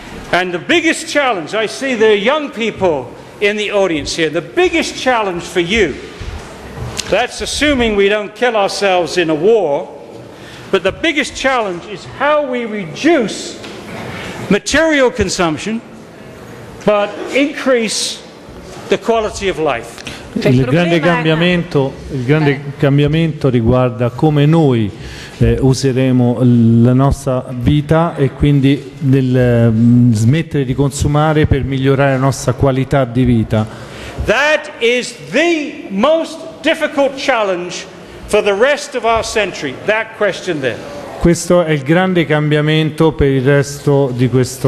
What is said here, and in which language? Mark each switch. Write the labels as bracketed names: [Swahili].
[English] And the biggest challenge, I see the young people in the audience here, the biggest challenge for you, that's assuming we don't kill ourselves in a war, but the biggest challenge is how we reduce material consumption but increase the quality of life. [Italian] Il grande cambiamento riguarda come noi useremo la nostra vita e quindi smettere di consumare per migliorare la nostra qualità di vita. [English] That is the most difficult challenge for the rest of our century, that question there. [Italian] Questo è il grande cambiamento per il resto di questo